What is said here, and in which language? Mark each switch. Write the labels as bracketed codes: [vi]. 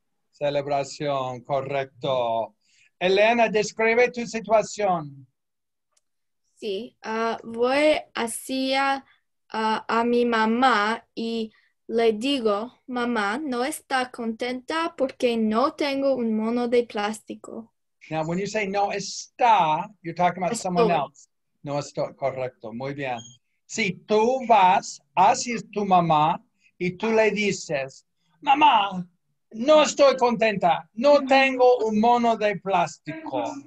[es] Celebración, correcto. Elena, describe tu situación. Sí, voy hacia a mi mamá y le digo, mamá, no está contenta porque no tengo un mono de plástico. [en] Now, when you say [es] no está, [en] you're talking about someone else. [es] No estoy, correcto, muy bien. Sí, tú vas hacia tu mamá y tú le dices, mamá, no estoy contenta. No tengo un mono de plástico.